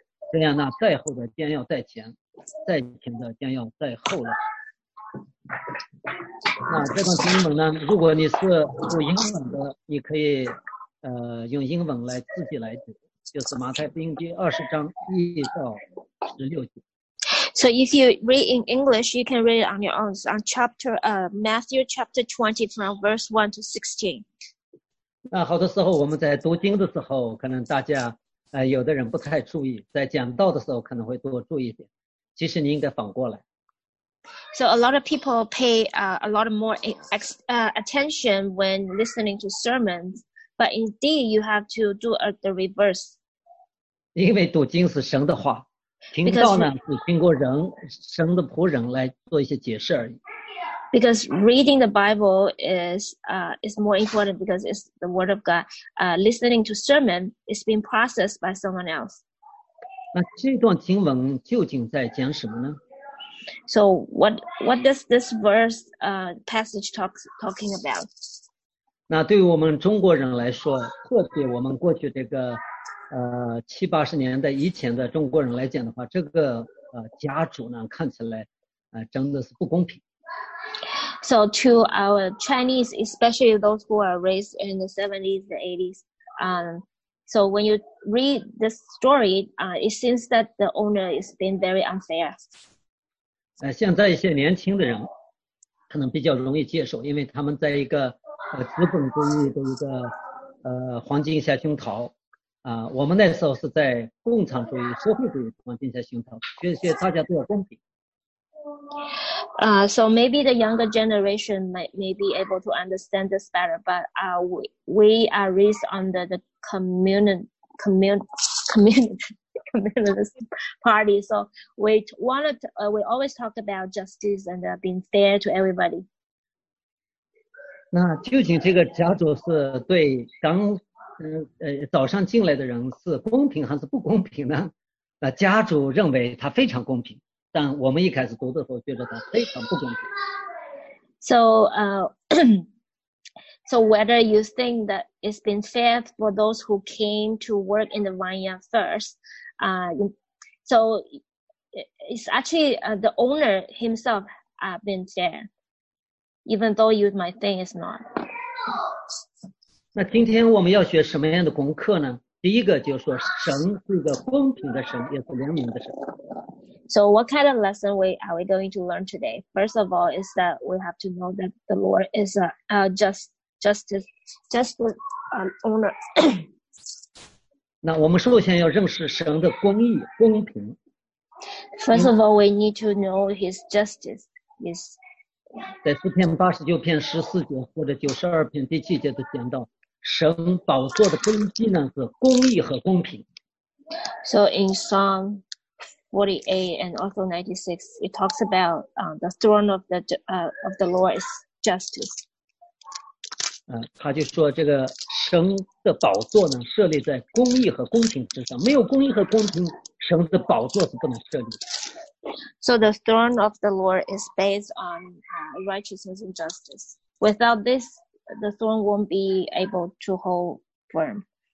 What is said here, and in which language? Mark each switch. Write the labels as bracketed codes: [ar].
[zh] 这样那再后的将要在前，在前的将要在后了。那这段经文呢，如果你是读英文的，你可以用英文来自己来读，就是马太福音第20:1-16。 [en] So if you read in English, you can read it on your own. It's on Matthew chapter 20 from verse 1 to 16. [zh] 那好多时候我们在读经的时候，可能大家有的人不太注意，在讲道的时候可能会多注意一点。其实你应该反过来。 [en] So a lot of people pay a lot more attention when listening to sermons, but indeed you have to do the reverse. [zh] 因为读经是神的话。听到呢，是经过人神的仆人来做一些解释而已。 [en] Because reading the Bible is more important because it's the word of God. Listening to sermon is being processed by someone else. [zh] 那这段经文究竟在讲什么呢？ [en] So what does this verse passage talking about? [zh] 那对于我们中国人来说，特别我们过去这个七八十年代以前的中国人来讲的话，这个家主呢看起来真的是不公平。 [en] So to our Chinese, especially those who are raised in the 70s, the 80s, so when you read this story, it seems that the owner is being very unfair. [zh] 现在一些年轻的人可能比较容易接受，因为他们在一个资本主义的一个环境下熏陶。我们那时候是在共产主义、社会主义环境下熏陶，觉得大家都要公平。 [en] So maybe the younger generation may be able to understand this better, but we are raised under the communist party. So we always talk about justice and being fair to everybody. [zh] 那究竟这个家族是对刚早上进来的人是公平还是不公平呢？家主认为他非常公平，但我们一开始读的时候觉得他非常不公平。 [en] So whether you think that it's been fair for those who came to work in the vineyard first, so it's actually the owner himself been fair, even though you might think it's not. [zh] 那今天我们要学什么样的功课呢？第一个就是说，神是一个公平的神，也是怜悯的神。 [en] So what kind of lesson are we going to learn today? First of all, is that we have to know that the Lord is a just owner. [zh] 那我们首先要认识神的公义、公平。 [en] First of all, we need to know His justice. His [zh] 在诗篇89篇14节或者92篇第7节都讲到。神宝座的根基呢是公义和公平。 So in Psalm 48 and also 96, it talks about the throne of the Lord is justice. 他就说这个神的宝座呢设立在公义和公平之上，没有公义和公平，神的宝座是这么设立的。 [en] So the throne of the Lord is based on righteousness and justice. Without this, the throne won't be able to hold firm.